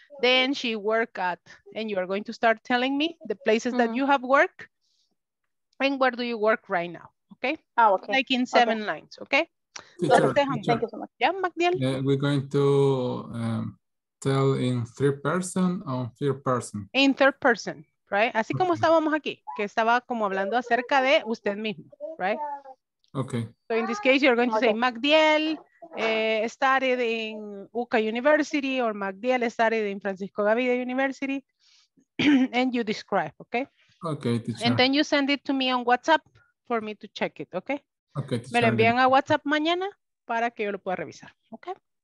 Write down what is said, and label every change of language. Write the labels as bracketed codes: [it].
[en] Then she worked at, and you are going to start telling me the places that you have worked and where do you work right now, okay? Oh, okay. Like in seven lines, okay? Teacher, thank you so much. Yeah, Magdiel? We're going to tell in third person or third person? In third person, right? [es] Así como estábamos aquí, que estaba como hablando acerca de usted mismo, right? [en] Okay. So in this case, you're going to say Magdiel, studied in UCA University, or Magdiel studied in Francisco Gavidia University, and you describe, okay? Okay, teacher. And then you send it to me on WhatsApp for me to check it, okay? Okay, teacher. [es] Me lo envían a WhatsApp mañana para que yo lo pueda revisar, okay?